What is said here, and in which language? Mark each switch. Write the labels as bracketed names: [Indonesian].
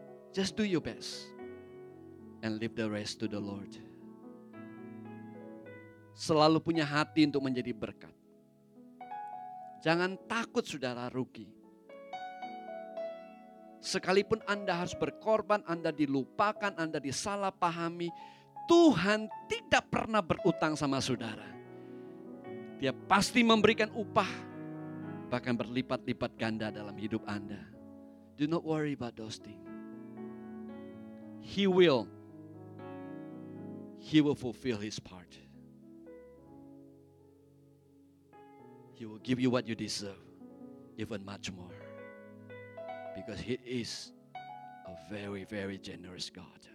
[English] Just do your best and leave the rest to the Lord. [Indonesian] Selalu punya hati untuk menjadi berkat. Jangan takut, saudara, rugi. Sekalipun Anda harus berkorban, Anda dilupakan, Anda disalahpahami, Tuhan tidak pernah berutang sama saudara. Dia pasti memberikan upah, bahkan berlipat-lipat ganda dalam hidup Anda. [English] Do not worry about those things. He will fulfill his part. He will give you what you deserve, even much more. Because he is a very, very generous God.